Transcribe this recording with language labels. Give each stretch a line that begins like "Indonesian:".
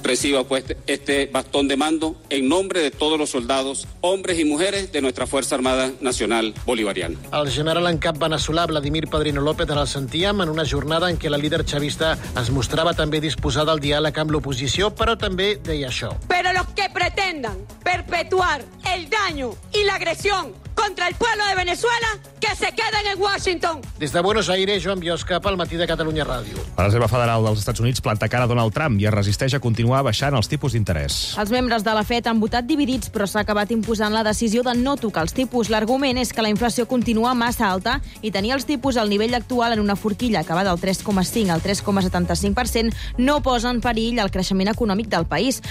Spanish: Reciba pues este bastón de mando en nombre de todos los soldados, hombres y mujeres de nuestra Fuerza Armada Nacional Bolivariana.
Catalan: El general en cap venezolà Vladimir Padrino López en el sentíem en una jornada en què la líder chavista es mostrava també disposada al diàleg amb l'oposició, però també deia això.
Spanish: Pero los que pretendan perpetuar el daño y la agresión contra el pueblo de Venezuela, que se queden en Washington.
Catalan: Des de Buenos Aires, Joan Biosca, pel Matí de Catalunya Ràdio. La Reserva Federal dels Estats Units planta cara a Donald Trump i es resisteix a continuar baixant els tipus d'interès. Els membres de la Fed han votat dividits, però s'ha acabat imposant la decisió de no tocar els tipus. L'argument és que la inflació continua massa alta i tenir els tipus al nivell actual en una forquilla que va del 3,5 al 3,75% no posa en perill el creixement econòmic del país.